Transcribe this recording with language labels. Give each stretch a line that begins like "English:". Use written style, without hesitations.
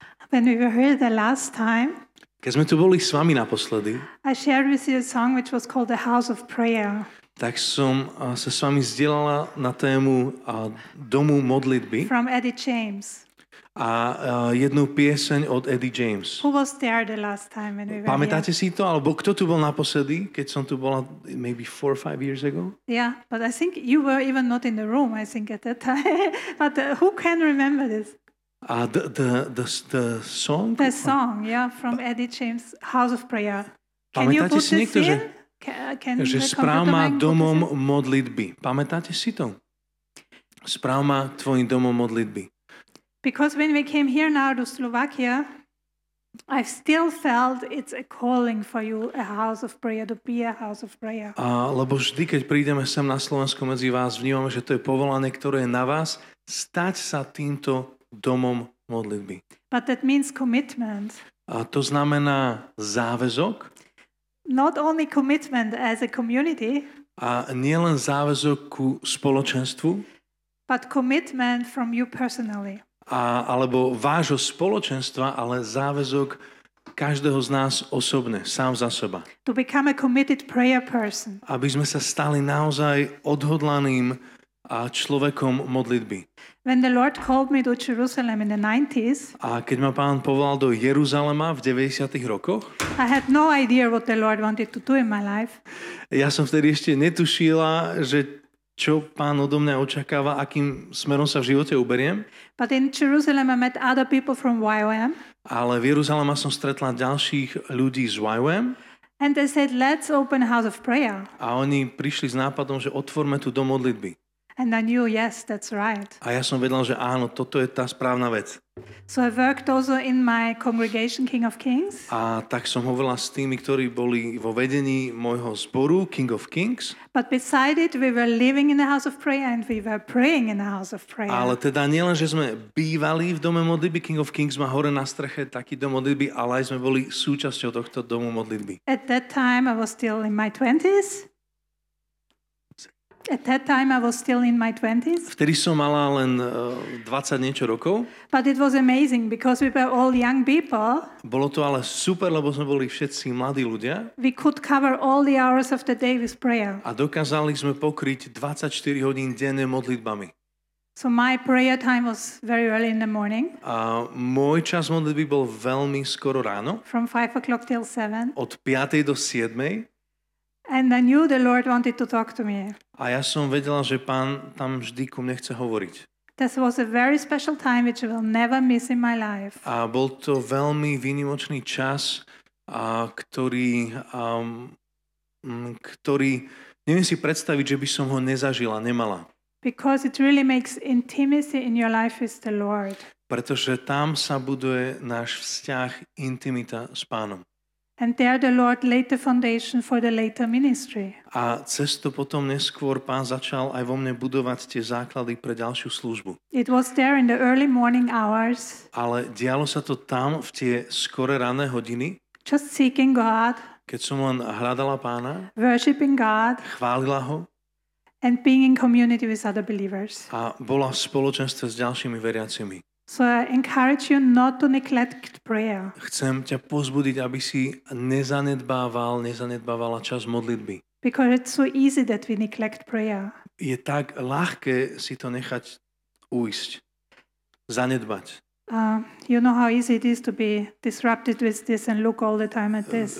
English: When we were here the last time,
Slovak: keď sme tu boli s vami naposledy,
English: I shared with you a song which was called The House of Prayer.
Slovak: Tak som sa s vami zdieľala na tému domu modlitby.
English: From Eddie James.
Slovak: A jednu pieseň od Eddie James.
English: Who was there the last time when we were here?
Slovak: Pamätáte si to? Alebo kto tu bol naposledy, keď som tu bola
English: maybe 4 or 5 years ago? Yeah, but I think you were even not in the room, I think at that time. But who can remember this? The song? The song, yeah, from Eddie James, House of Prayer.
Slovak: Pamätáte si niekto, že správ ma domom modlitby. Pamätáte si to? Správ ma tvojim domom modlitby.
English: Because when we came here now to Slovakia, I still felt it's a calling for you, a house of prayer, to be a house of prayer.
Slovak: Lebo vždy, keď prídeme sem na Slovensko medzi vás, vnímame, že to je povolanie, ktoré je na vás, stať sa týmto domom modlitby.
English: But that means commitment.
Slovak: A to znamená záväzok.
English: Not only commitment as a community.
Slovak: A nielen záväzok ku spoločenstvu.
English: But commitment from you personally.
Slovak: Alebo vášho spoločenstva, ale záväzok každého z nás osobne, sám za seba.
English: To become a committed prayer person.
Slovak: Aby sme sa stali naozaj odhodlaným a človekom modlitby.
English: When the Lord called me to Jerusalem in the 90s,
Slovak: a keď ma Pán povolal do Jeruzalema v 90. rokoch,
English: I had no idea what the Lord wanted to do in my life.
Slovak: Ja som vtedy ešte netušila, že čo Pán odo mňa očakáva, akým smerom sa v živote uberiem.
English: But in Jerusalem I met other people from YOM.
Slovak: Ale v Jeruzaleme som stretla ďalších ľudí z YOM.
English: And they said, let's open house of prayer.
Slovak: A oni prišli s nápadom, že otvorme tu dom modlitby.
English: And I knew, yes, that's right.
Slovak: A ja som vedel, že áno, toto je tá správna vec.
English: So I worked also in my congregation, King of Kings.
Slovak: A tak som hovorila s tými, ktorí boli vo vedení môjho zboru, King of Kings.
English: But beside it, we were living in the house of prayer and we were praying in the house of prayer.
Slovak: Ale teda nielen, že sme bývali v dome modlitby, King of Kings má hore na streche taký dom modlitby, ale aj sme boli súčasťou tohto domu modlitby.
English: At that time, I was still in my 20s. At that time I was still in my 20s.
Slovak: Vtedy som mala len 20 niečo rokov.
English: But it was amazing because we were all young people.
Slovak: Bolo to ale super, lebo sme boli všetci mladí ľudia.
English: We could cover all the hours of the day with prayer.
Slovak: A dokázali sme pokryť 24 hodín denne modlitbami.
English: So my prayer time was very early in the morning.
Slovak: A môj čas modlitby bol veľmi skoro ráno.
English: From 5 o'clock till 7.
Slovak: Od 5 do 7.
English: And I knew the Lord wanted to talk to me.
Slovak: A ja som vedela, že Pán tam vždy ku mne chce hovoriť.
English: This was a very special time which I will never miss in my life.
Slovak: A bol to veľmi výnimočný čas, ktorý neviem si predstaviť, že by som ho nezažila, nemala.
English: Because it really makes intimacy in your life with the Lord.
Slovak: Pretože tam sa buduje náš vzťah, intimita s Pánom.
English: And there the Lord laid the foundation for the later ministry.
Slovak: A cez to potom neskôr Pán začal aj vo mne budovať tie základy pre ďalšiu službu.
English: It was there in the early morning hours.
Slovak: Ale dialo sa to tam v tie skoré rané hodiny.
English: Just seeking God.
Slovak: Keď som len hľadala Pána.
English: Worshiping God.
Slovak: Chválila ho.
English: And being in community with other believers.
Slovak: A bola v spoločenstve s ďalšími veriacimi.
English: So I encourage you not to neglect prayer.
Slovak: Chcem ťa pozbudiť, aby si nezanedbávala čas modlitby.
English: Because it's so easy that we neglect prayer.
Slovak: Je tak ľahké si to nechať ujsť. Zanedbať.
English: You know how easy it is to be disrupted with this and look all the time at this.